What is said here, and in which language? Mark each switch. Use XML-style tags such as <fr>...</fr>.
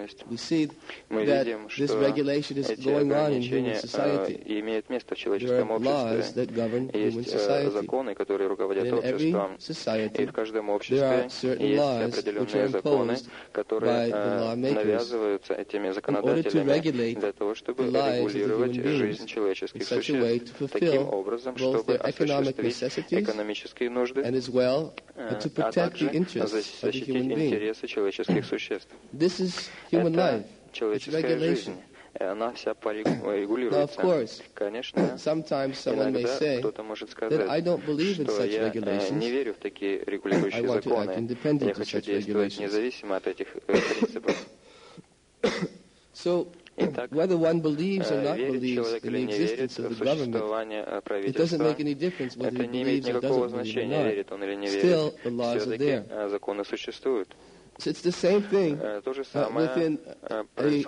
<en>We see that this regulation is going on in human society. There are laws that govern human society.</en> <ru>Законы, которые руководят обществом,</ru> <en>society,</en> <ru>и в каждом обществе есть определенные законы, которые навязываются этими законодателями для того, чтобы регулировать жизнь человеческих существ таким образом, чтобы осуществить экономические нужды,</ru> <en>well,</en> <ru>а также защитить интересы человеческих существ. Это человеческая жизнь. Она вся регулируется.</ru> <en>Now, of course,</en> <ru>конечно,</ru> <en>sometimes someone may say that I don't believe in such regulations.</en> <ru>Не верю в такие регулирующие законы.</ru> <en>I want to act independent of such regulations.</en> <ru>Независимо от этих принципов.</ru> <en>So, whether one believes or not believes in the existence of the government, it doesn't make any difference whether he believes or doesn't believe or not. Still, the laws are there.</en> <ru>Законы существуют.</ru> <en>So it's the same thing within a</en>